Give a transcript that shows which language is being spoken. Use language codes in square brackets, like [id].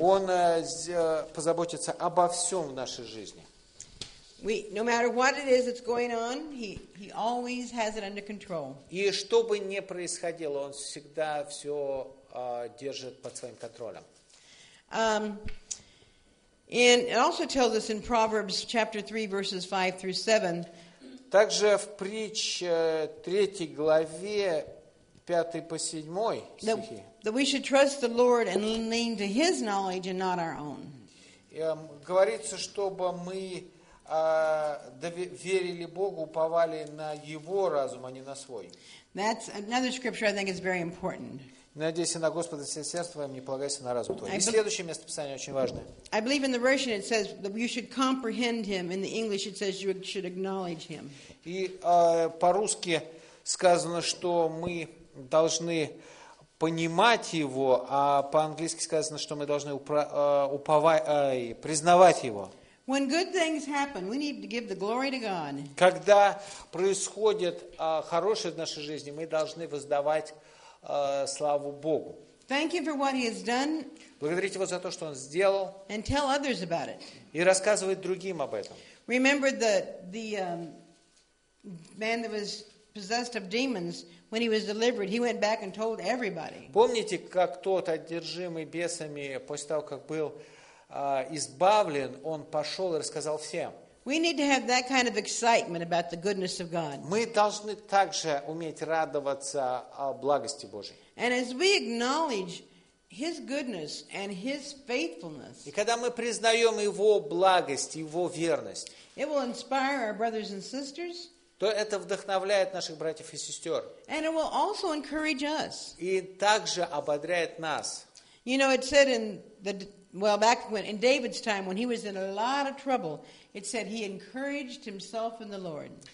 [ru] Он позаботится обо всем в нашей жизни. [en] We, no matter what it is that's going on, he always has it under control. [ru] И что бы ни происходило, он всегда все держит под своим контролем. [en] And it also tells us in Proverbs chapter 3 verses 5 through 7. [ru] Также в притче 3 главе 5 по 7 стихи. [en] That we should trust the Lord and lean to his knowledge and not our own. [ru] Говорится, чтобы мы верили Богу, уповали на Его разум, а не на свой. [en] That's another scripture I think is very important. [ru] Надейся на Господа всем сердцем твоим, не полагайся на разум твой. И следующее место Писания очень важное. [en] I believe in the Russian it says that you should comprehend him. In the English it says you should acknowledge him. [ru] И по-русски сказано, что мы должны понимать его, а по-английски сказано, что мы должны признавать его. [en] When good things happen, we need to give the glory to God. [ru] Когда происходит хорошее в нашей жизни, мы должны воздавать славу Богу. [en] Thank him for what he has done. [ru] Благодарить его за то, что он сделал. [en] And tell others about it. [ru] И рассказывать другим об этом. [en] Remember the man that was possessed of demons when he was delivered, he went back and told everybody. [ru] Помните, как тот одержимый бесами после того, как был избавлен, он пошел и рассказал всем. [en] We need to have that kind of excitement about the goodness of God. [ru] Мы должны также уметь радоваться благости Божьей. [en] And as we acknowledge His goodness and His faithfulness, [ru] и когда мы признаем Его благость, Его верность, [en] it will inspire our brothers and sisters. [ru] То это вдохновляет наших братьев и сестер. [en] And it will also encourage us. [ru] И также ободряет нас. [en] You know, it said in the Well, back when in David's time, when he was in a lot of trouble, it said he encouraged himself in the Lord.